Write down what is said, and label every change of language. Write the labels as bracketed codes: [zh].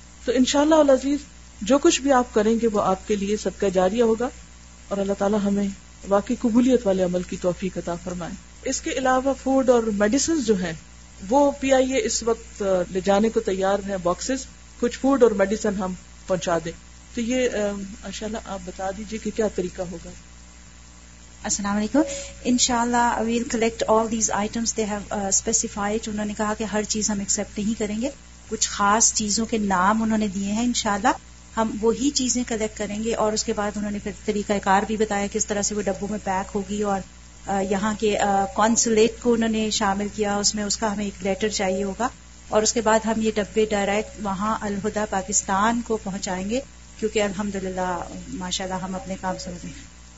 [ur] تو انشاءاللہ العزیز جو کچھ بھی آپ کریں گے وہ آپ کے لیے صدقہ جاریہ ہوگا, اور اللہ تعالی ہمیں واقعی قبولیت والے عمل کی توفیق عطا فرمائے. اس کے علاوہ فوڈ اور میڈیسنز جو ہیں وہ پی آئی اے اس وقت لے جانے کو تیار ہیں, باکسز کچھ فوڈ اور میڈیسن ہم پہنچا دیں. تو یہ انشاءاللہ آپ بتا دیجیے کہ کیا طریقہ ہوگا. السلام علیکم. [en] انشاءاللہ I will collect all these items they have specified. [ur] انہوں نے کہا کہ ہر چیز ہم ایکسیپٹ نہیں کریں گے, کچھ خاص چیزوں کے نام انہوں نے دیے ہیں, انشاءاللہ ہم وہی چیزیں کلیکٹ کریں گے. اور اس کے بعد انہوں نے پھر طریقہ کار بھی بتایا کہ اس طرح سے وہ ڈبوں میں پیک ہوگی, اور یہاں کے کونسولیٹ کو انہوں نے شامل کیا اس میں, اس کا ہمیں ایک لیٹر چاہیے ہوگا, اور اس کے بعد ہم یہ ڈبے ڈائریکٹ وہاں الہدا پاکستان کو پہنچائیں گے, کیونکہ الحمدللہ ماشاءاللہ ہم اپنے کام سے ہوتے ہیں.